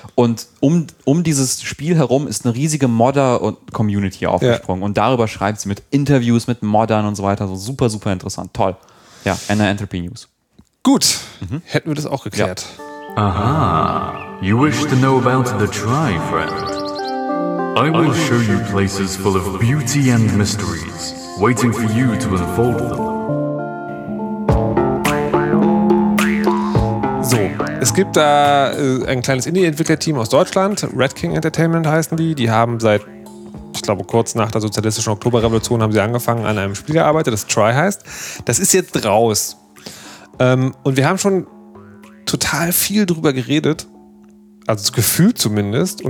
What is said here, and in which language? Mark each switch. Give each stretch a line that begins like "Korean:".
German: Und um dieses Spiel herum ist eine riesige Modder-Community aufgesprungen. Ja. Und darüber schreibt sie mit Interviews mit Moddern und so weiter. So super, super interessant. Toll. Ja, Anna Entropy News. Gut. Hätten wir das auch geklärt. Ja. Aha.
English: You wish to know about the Tri, friend? I will show you places full of beauty and mysteries, waiting for you to unfold them.
German: So, es gibt da ein kleines Indie-Entwicklerteam aus Deutschland, Red King Entertainment heißen die. Die haben seit, ich glaube, kurz nach der sozialistischen Oktoberrevolution haben sie angefangen, an einem Spiel gearbeitet, das Tri heißt. Das ist jetzt raus. Und wir haben schon total viel drüber geredet, also das Gefühl zumindest.